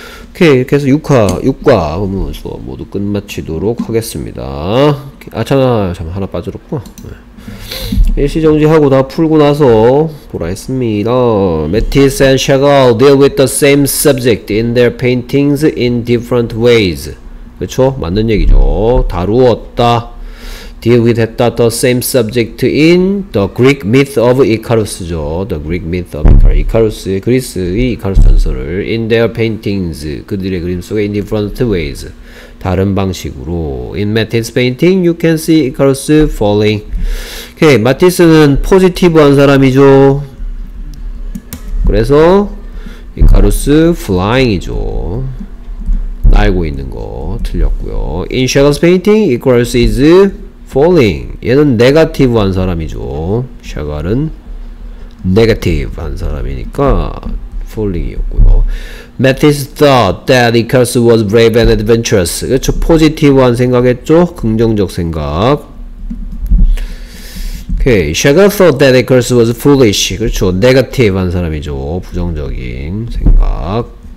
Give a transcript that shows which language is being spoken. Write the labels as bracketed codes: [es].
[ko] 오케이, 이렇게 해서 6과 본 수업 모두 끝마치도록 하겠습니다. 아, 잠깐 하나 빠졌고. 일시정지하고 다 풀고 나서 보라 했습니다. [en] Matisse and Chagall deal with the same subject in their paintings in different ways. [ko] 그쵸? 맞는 얘기죠. 다루었다. deal with 했다. [en] the same subject in the Greek myth of Icarus죠. the Greek myth of Icarus. [ko] 그리스의 이카루스 전설을 [en] in their paintings. [ko] 그들의 그림 속에 [en] in different ways. [ko] 다른 방식으로. [en] In Matisse painting, you can see Icarus falling. [ko] 오케이, 마티스는 포지티브한 사람이죠. 그래서 이카루스 플라잉이죠. 날고 있는 거 틀렸고요. [en] In Chagall's painting, Icarus is falling. [ko] 얘는 네가티브한 사람이죠. 샤갈은 네가티브한 사람이니까 폴링이었고요. [en] Matisse thought that Icarus was brave and adventurous. [ko] 그렇죠. 포지티브한 생각했죠. 긍정적 생각. [en] Okay. Chagall thought that Icarus was foolish. [ko] 그렇죠. 네가티브한 사람이죠. 부정적인 생각.